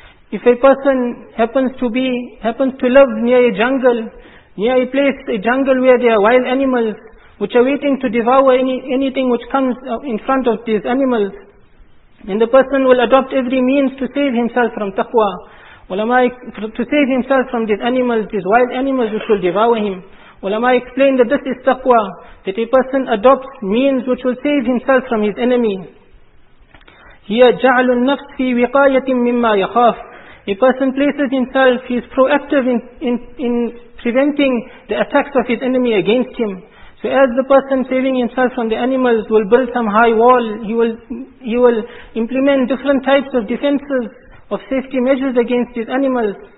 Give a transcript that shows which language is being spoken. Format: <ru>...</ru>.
<en>If a person happens to live near a jungle, near a place, a jungle where there are wild animals, which are waiting to devour anything which comes in front of these animals, and the person will adopt every means to save himself from taqwa, to save himself from these animals, these wild animals which will devour him. Ulama explain that this is taqwa, that a person adopts means which will save himself from his enemy.</en> <ar>Here, جَعْلُ النَّفْسِ فِي وِقَايَةٍ مِمَّا يَخَافٍ.</ar> <en>A person places himself, he is proactive in preventing the attacks of his enemy against him. So as the person saving himself from the animals will build some high wall, he will implement different types of defenses, of safety measures against his animals.</en>